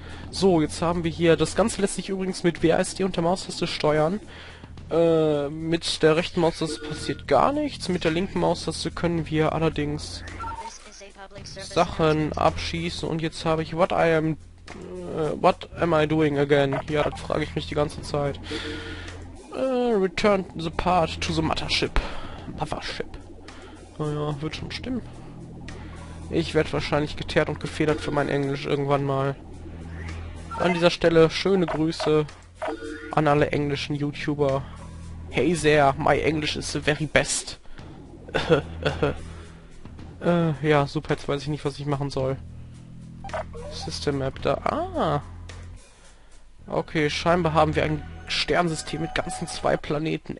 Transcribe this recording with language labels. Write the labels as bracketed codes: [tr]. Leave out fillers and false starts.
[de] So, jetzt haben wir hier. Das Ganze lässt sich übrigens mit WASD und der Maustaste steuern. Mit der rechten Maustaste passiert gar nichts. Mit der linken Maustaste können wir allerdings Sachen abschießen. Und jetzt habe ich. [en] What am I doing again? [de] Ja, das frage ich mich die ganze Zeit. [en] Return the part to the Mothership. Mothership. [de] Naja, wird schon stimmen. Ich werde wahrscheinlich geteert und gefedert für mein Englisch irgendwann mal. An dieser Stelle schöne Grüße an alle englischen YouTuber. [en] Hey there, my English is the very best. [de] ja, super, jetzt weiß ich nicht, was ich machen soll. System Map da. Ah! Okay, scheinbar haben wir ein Sternsystem mit ganzen zwei Planeten.